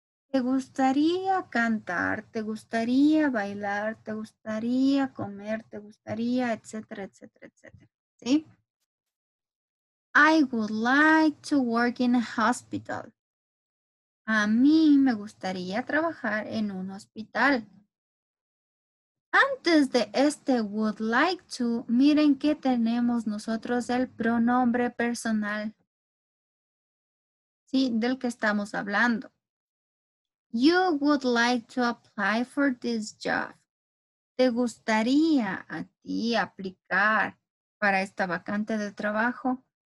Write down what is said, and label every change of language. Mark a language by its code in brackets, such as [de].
[es] ¿Te gustaría cantar? ¿Te gustaría bailar? ¿Te gustaría comer? ¿Te gustaría, etcétera, etcétera, etcétera? ¿Sí? [en] I would like to work in a hospital. [es] A mí me gustaría trabajar en un hospital. Antes de este would like to, miren que tenemos nosotros el pronombre personal. ¿Sí? Del que estamos hablando. [en] You would like to apply for this job. [es] ¿Te gustaría a ti aplicar para esta vacante de trabajo?